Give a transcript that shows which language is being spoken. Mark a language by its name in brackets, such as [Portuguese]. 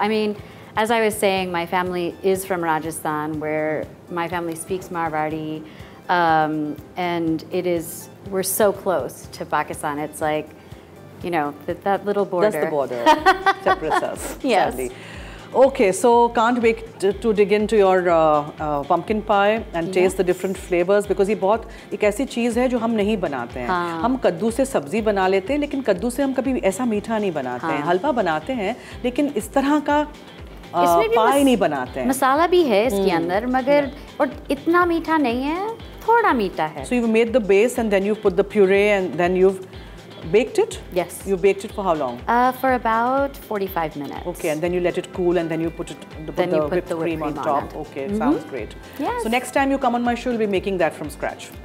[English] I mean, as I was saying, my family is from Rajasthan, where my family speaks Marwari, and it is, we're so close to Pakistan. It's like, you know, that little border. That's the border. Separates us, yes. Sadly. Okay, so can't wait to dig into your pumpkin pie and taste the different flavors, because [Hindi] ये बहुत एक ऐसी चीज़ है जो हम नहीं बनाते हैं. हम कद्दू से सब्जी बना लेते हैं, लेकिन कद्दू से हम कभी ऐसा मीठा नहीं बनाते हैं. हलवा बनाते हैं, लेकिन इस तरह का पाई नहीं बनाते हैं. मसाला भी है इसके अंदर, मगर और इतना मीठा नहीं है, थोड़ा मीठा है. [English] So you've made the base and then you've put the puree and then you've baked it? Yes. You baked it for how long? For about 45 minutes. Okay, and then you let it cool and then you put it, the whipped cream on top. Okay, mm-hmm. Sounds great. Yes. So next time you come on my show, we'll be making that from scratch.